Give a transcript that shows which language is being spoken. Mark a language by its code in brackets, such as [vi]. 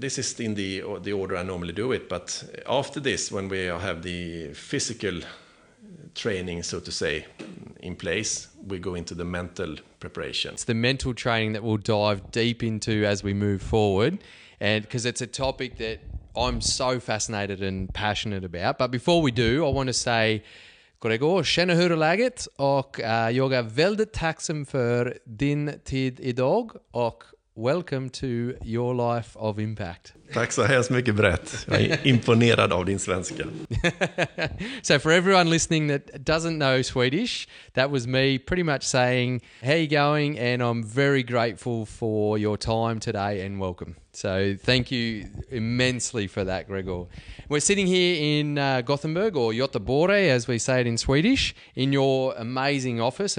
[en] This is in the order I normally do it, but after this, when we have the physical training, so to say, in place, we go into the mental preparation. It's the mental training that we'll dive deep into as we move forward, and because it's a topic that I'm so fascinated and passionate about. But before we do, I want to say, [sv] Gregor, schöne hur läget och jag är väldigt tacksam för din tid idag och [en] welcome to your life of impact. [sv] Tack så hemskt mycket, Brett. Jag är imponerad av din svenska. [en] So for everyone listening that doesn't know Swedish, that was me pretty much saying, how are you going? And I'm very grateful for your time today and welcome. So thank you immensely for that, Gregor. We're sitting here in Gothenburg, or Göteborg, as we say it in Swedish, in your amazing office.